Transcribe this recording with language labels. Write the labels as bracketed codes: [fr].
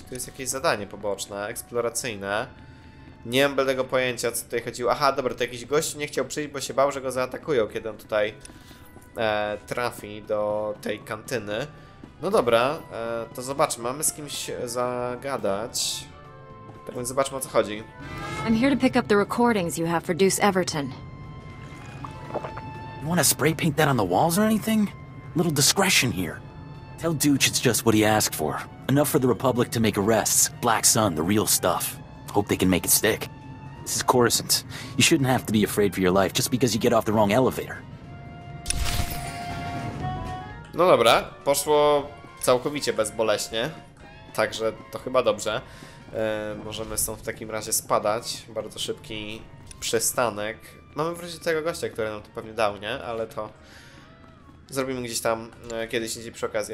[pl] Tu jest jakieś zadanie poboczne, eksploracyjne. Nie mam bladego pojęcia, co tutaj chodziło. Aha, dobra, to jakiś gość nie chciał przyjść, bo się bał, że go zaatakują, kiedy on tutaj trafi do tej kantyny. No dobra, to zobaczmy. Mamy z kimś zagadać. Tak więc zobaczmy, o co chodzi. [en] I'm here to pick up the recordings you have for Deuce Everton. You want to spray paint that on the walls or anything? Little discretion here. Tell Deuce it's just what he asked for. Enough for the Republic to make arrests. Black Sun, the real stuff. Hope they can make it stick. This is Coruscant. You shouldn't have to be afraid for your life just because you get off the wrong elevator. [pl] No dobra, poszło całkowicie bezboleśnie, także to chyba dobrze. Możemy stąd w takim razie spadać, bardzo szybki przystanek. Mamy wrócić do tego gościa, który nam to pewnie dał, nie? Ale to zrobimy gdzieś tam kiedyś, indziej przy okazji.